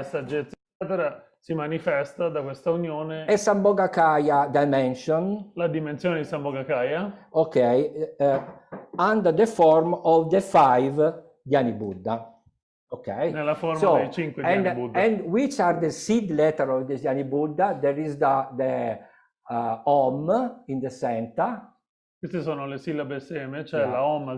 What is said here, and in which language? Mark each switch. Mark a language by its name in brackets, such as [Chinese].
[Italian] e saggezza, eccetera, si manifesta da questa unione. [English] E Sambhogakaya dimension. [Italian] La dimensione di Sambhogakaya. [English] Ok, under the form of the five Dhyani Buddha. Okay. [Italian] Nella forma so, dei cinque Dhyani Buddha. [English] And which are the seed letter of the Dhyani Buddha? There is the Om in the center. [Italian] Queste sono le sillabe seme, cioè yeah. la Om al